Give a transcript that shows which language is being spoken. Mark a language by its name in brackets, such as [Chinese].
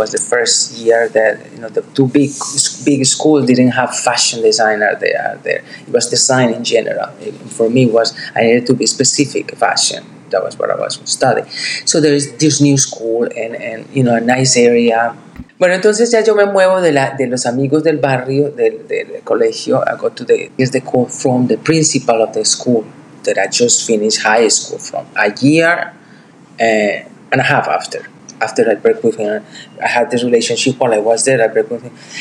[English] It was the first year that, you know, the two big schools didn't have fashion designer there. It was design in general. For me, I needed to be specific fashion. That was what I was studying. So there is this new school and you know, a nice area. [Spanish] Bueno, entonces ya yo me muevo de los amigos del barrio, del colegio. [English] I go to the call from the principal of the school that I just finished high school from, a year and a half after I broke with him. I had this relationship while I was there. I broke with him.